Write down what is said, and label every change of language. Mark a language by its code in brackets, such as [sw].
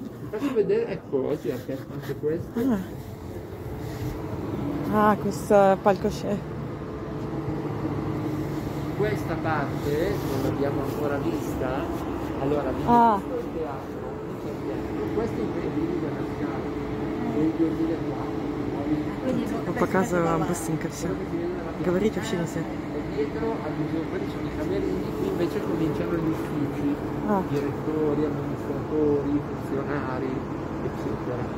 [it] Faccio vedere, ecco, oggi ha aperto anche questo. Ah, questo palcoscenico. Questa parte non l'abbiamo ancora vista. Allora, questo è il teatro. Questo è il teatro del [ru] Я показываю вам быстренько все. Говорить вообще нельзя. [it] Invece cominciano gli uffici, direttori, amministratori, funzionari, eccetera.